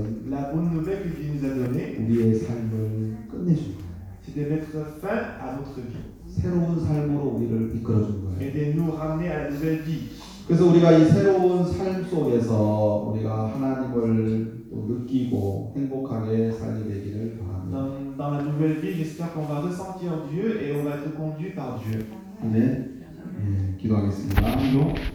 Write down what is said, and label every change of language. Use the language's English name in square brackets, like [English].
[French] La bonne nouvelle que Dieu nous a donnée, [Korean] 우리의 삶을 끝내주고, [French] c'est de mettre fin à notre vie. [Korean] 새로운 삶으로 우리를 이끌어준 거예요. [French] Et de nous ramener à la nouvelle vie. [Korean] 그래서 우리가 이 새로운 삶 속에서 우리가 하나님을 느끼고 행복하게 살게 되기를 바랍니다. [French] Dans la nouvelle vie, j'espère qu'on va ressentir Dieu et on va être conduit par Dieu. [Korean] 아멘. 네, 기도하겠습니다. 기도.